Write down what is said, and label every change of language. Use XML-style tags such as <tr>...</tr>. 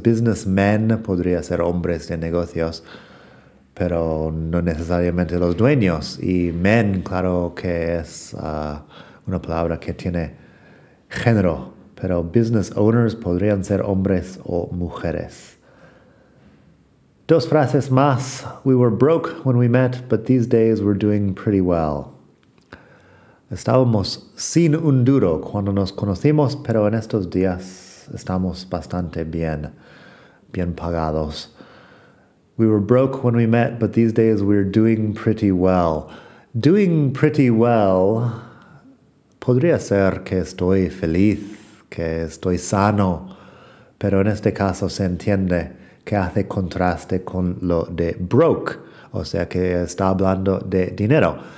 <es>Businessmen podría ser hombres de negocios, pero no necesariamente los dueños. Y men, claro que es una palabra que tiene género, pero business owners podrían ser hombres o mujeres. Dos frases más.</es> <en>We were broke when we met, but these days we're doing pretty well.</en> <es>Estábamos sin un duro cuando nos conocimos, pero en estos días estamos bastante bien pagados.</es> <en>We were broke when we met, but these days we're doing pretty well. Doing pretty well,</en> <es>podría ser que estoy feliz, que estoy sano, pero en este caso se entiende que hace contraste con lo de broke, o sea que está hablando de dinero.</es>